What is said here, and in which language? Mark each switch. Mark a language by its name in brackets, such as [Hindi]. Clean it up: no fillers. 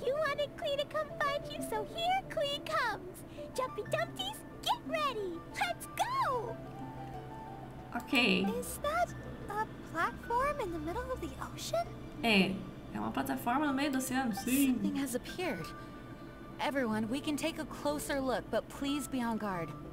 [English] You wanted Klee to come find you, so here Klee comes. Jumpy Dumpties, get ready. Let's go! Ok. Is that a platform in the middle of the ocean? [Portuguese] É uma plataforma no meio do oceano, sim. [English] Something has appeared. Everyone, we can take a closer look, but please be on guard.